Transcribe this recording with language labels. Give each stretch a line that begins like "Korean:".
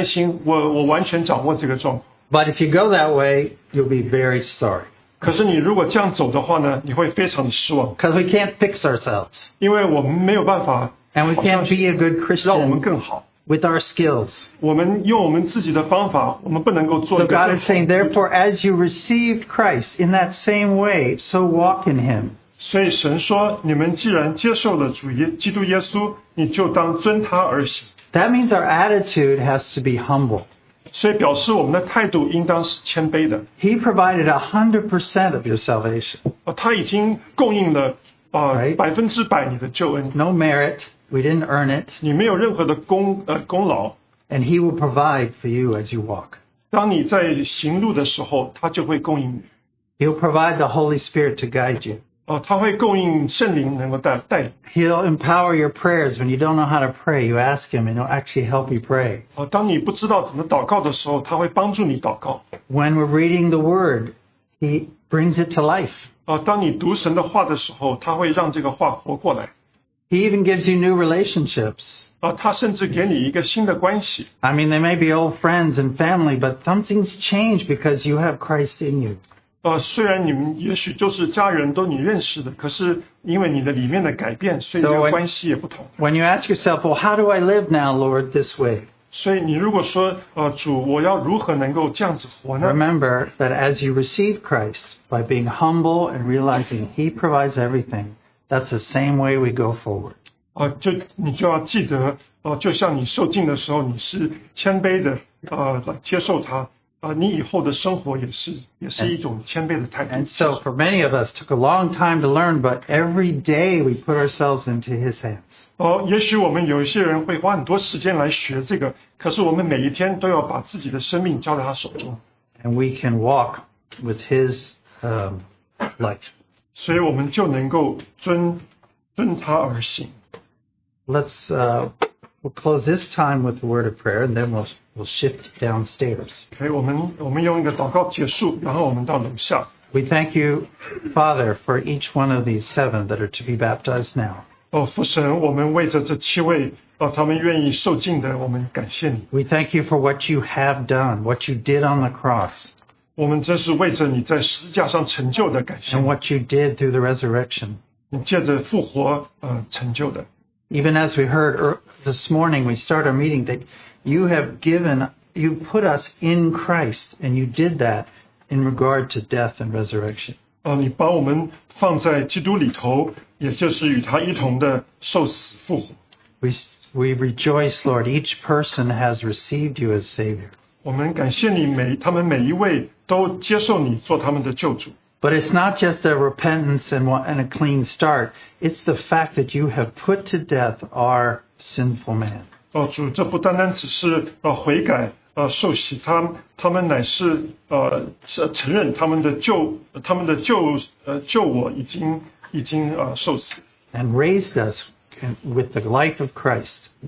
Chinese: 好像我们今天会说，主，你不用担心，我完全掌握这个状况。
English: But if you go that way, you'll be very sorry.
Chinese: 可是你如果这样走的话呢，你会非常的失望。
English: Because we can't fix ourselves.
Chinese: 因为我们没有办法。
English: And we can't be a good Christian.
Chinese: 让我们更好。
English: With our skills.
Chinese: 我们用我们自己的方法，我们不能够做。
English: So God is saying, therefore, as you received Christ in that same way, so walk in Him.
Chinese: 所以神说，你们既然接受了主耶基督耶稣，你就当遵他而行。
English: That means our attitude has to be humble.
Chinese: 所以表示我们的态度应当是谦卑的。
English: He provided 100% of your salvation.
Chinese: 他已经供应了百分之百你的救恩。
English: No merit, we didn't earn it.
Chinese: 你没有任何的功劳。
English: And he will provide for you as you walk.
Chinese: 当你在行路的时候，他就会供应你。
English: He'll provide the Holy Spirit to guide you.
Chinese: 他会供应圣灵能够带。
English: He'll empower your prayers. When you don't know how to pray, you ask him and he'll actually help you pray.
Chinese: 当你不知道怎么祷告的时候，他会帮助你祷告。
English: When we're reading the word, he brings it to life.
Chinese: 当你读神的话的时候，他会让这个话活过来。
English: He even gives you new relationships.
Chinese: 他甚至给你一个新的关系。
English: I mean, they may be old friends and family, but something's changed because you have Christ in you.
Chinese: 虽然你们也许就是家人都你认识的，可是因为你的里面的改变，所以这个关系也不同。
English: When you ask yourself, well, how do I live now, Lord, this way?
Chinese: 所以你如果说，主，我要如何能够这样子活呢？
English: Remember that as you receive Christ by being humble and realizing He provides everything, that's the same way we go forward.
Chinese: 就你就要记得，就像你受浸的时候，你是谦卑的，来接受他。你以后的生活也是一种谦卑的态度。
English: And so for many of us, took a long time to learn, but every day we put ourselves into His hands.
Chinese: 也许我们有一些人会花很多时间来学这个，可是我们每一天都要把自己的生命交在他手中。
English: And we can walk with His life.
Chinese: 所以我们就能够遵他而行。
English: We'll close this time with a word of prayer, and then we'll shift downstairs.
Chinese: Okay, 我们用一个祷告结束，然后我们到楼下。
English: We thank you, Father, for each one of these seven that are to be baptized now.
Chinese: 父神，我们为着这七位，他们愿意受浸的，我们感谢你。
English: We thank you for what you have done, what you did on the cross.
Chinese: 我们真是为着你在十字架上成就的感谢。
English: And what you did through the resurrection.
Chinese: 你借着复活，成就的。
English: Even as we heard this morning, we start our meeting that you have given, you put us in Christ, and you did that in regard to death and resurrection.
Chinese: 你把我们放在基督里头，也就是与他一同的受死复活。
English: We rejoice, Lord, each person has received you as Savior.
Chinese: 我们感谢你每他们每一位都接受你做他们的救主。
English: But it's not just a repentance and a clean start. It's the fact that you have put to death our sinful man.
Chinese: 主，这不单单只是悔改，受洗，他们乃是承认他们的救我已经受死。
English: And raised us with the life of Christ.